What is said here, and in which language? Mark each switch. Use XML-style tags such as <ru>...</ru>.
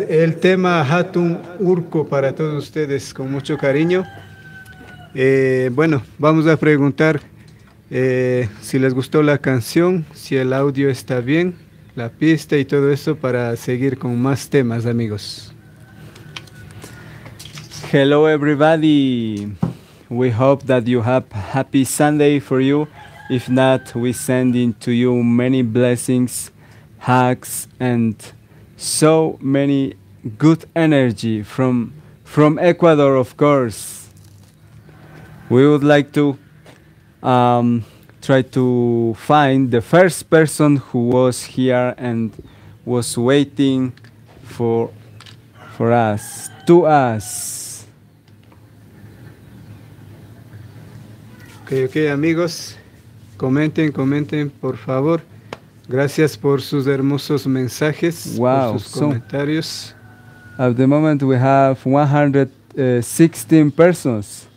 <es>El tema Hatun Urco para todos ustedes, con mucho cariño. Bueno, vamos a preguntar si les gustó la canción, si el audio está bien, la pista y todo eso, para seguir con más temas, amigos.</es> <en>Hello, everybody. We hope that you have a happy Sunday for you. If not, we send in to you many blessings, hugs, and so many good energy from Ecuador, of course. We would like to try to find the first person who was here and was waiting for us, to us.</en> <es>Okay, amigos. Comenten, por favor. Gracias por sus hermosos mensajes, wow, por sus comentarios.</es> <en>At the moment we have 116 persons.</en>